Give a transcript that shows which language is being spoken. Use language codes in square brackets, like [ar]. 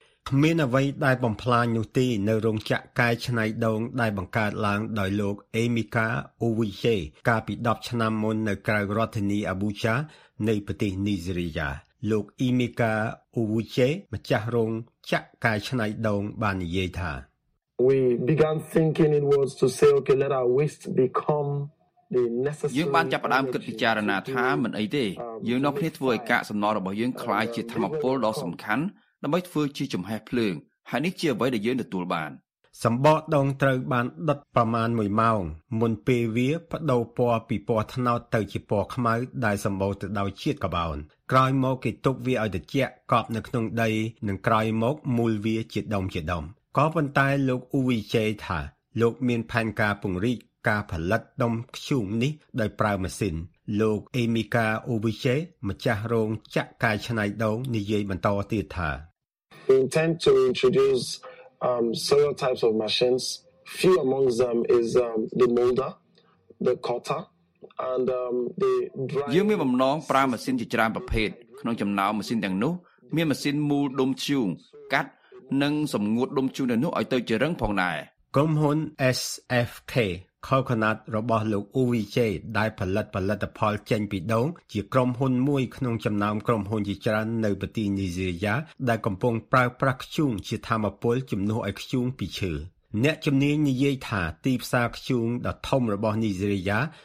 [km] គ្មានអ្វីដែលបំផ្លាញនោះទេនៅរោងចក្រកែច្នៃដូងដែលបង្កើតឡើងដោយលោកអេមីកាអ៊ូវីជេកាលពី10ឆ្នាំមុននៅក្រៅរដ្ឋធានីអាប៊ូជានៃប្រទេសនីហ្សេរីយ៉ាលោកអេមីកាអ៊ូវីជេម្ចាស់រោងចក្រកែច្នៃដូងបាននិយាយថា [en] We began thinking it was to say okay let our waste become [km] យើងបានចាប់ផ្ដើមគិតពិចារណាថាមិនអីទេយើងនាំគ្នាធ្វើឲ្យកាកសំណល់របស់យើងក្លាយជាថាមពលដ៏សំខាន់ដើម្បីធ្វើជាចំហេះភ្លើងហើយនេះជាអ្វីដែលយើងទទួលបាន សម្បកដងត្រូវបានដុតប្រមាណ1ម៉ោងមុនពេលវាបដូរពណ៌ពីពណ៌ត្នោតទៅជាពណ៌ខ្មៅដែលសម្បូរទៅដោយជាតិកាបូនក្រោយមកគេទុកវាឲ្យត្រជាក់កប់នៅក្នុងដីនិងក្រោយមកមូលវាជាដុំជាដុំក៏ប៉ុន្តែលោកអ៊ូវីជេថាលោកមានផែនការពង្រីកការផលិតដុំខ្ជុំនេះដោយប្រើម៉ាស៊ីនលោកអេមីកាអូវីជេម្ចាស់រោងចក្រកាយឆ្នៃដងនិយាយបន្តទៀតថា [en] We intend to introduce several types of machines. Few among them is the molder, the cutter and the dryer. [km] យើងមានបំណងប្រើម៉ាស៊ីនជាច្រើនប្រភេទក្នុងចំណោមម៉ាស៊ីនទាំងនោះមានម៉ាស៊ីនមូលដុំឈូងកាត់និងសម្ងួតដុំឈូងនៅនោះឲ្យទៅជារឹងផងដែរ ក្រុមហ៊ុន SFK Coconut របស់លោក UVJ ដែលផលិតផលចេញពីដូងជាក្រុមហ៊ុនមួយក្នុងចំណោមក្រុមហ៊ុនជាច្រើននៅប្រទេសនីហ្សេរីយ៉ាដែលកំពុងប្រើប្រាស់ខ្ជូងជាថាមពលជំនួសឲ្យខ្ជូងពីឈើអ្នកជំនាញនិយាយថាទីផ្សារខ្ជូងដ៏ធំរបស់នីហ្សេរីយ៉ា